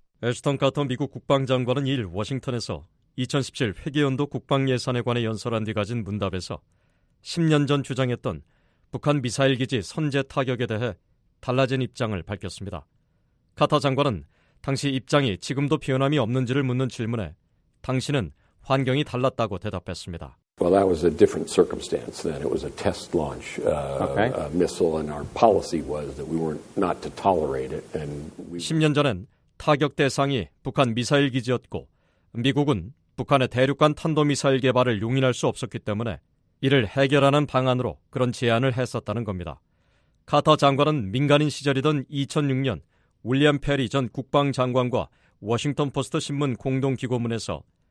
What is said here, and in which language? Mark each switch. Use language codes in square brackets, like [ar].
[ko] 애슈턴 카터 미국 국방장관은 2일 워싱턴에서 2017 회계연도 국방예산에 관해 연설한 뒤 가진 문답에서 10년 전 주장했던 북한 미사일 기지 선제 타격에 대해 달라진 입장을 밝혔습니다. 카터 장관은 당시 입장이 지금도 변함이 없는지를 묻는 질문에 당시는 환경이 달랐다고 대답했습니다. [en] Well, that was a different circumstance then. It was a test launch a missile, and our policy was that we weren't not to tolerate it. And [ko] 10년 전엔 타격 대상이 북한 미사일 기지였고 미국은 북한의 대륙간 탄도 미사일 개발을 용인할 수 없었기 때문에 이를 해결하는 방안으로 그런 제안을 했었다는 겁니다. 카터 장관은 민간인 시절이던 2006년 윌리엄 페리 전 국방장관과 워싱턴 포스트 신문 공동 기고문에서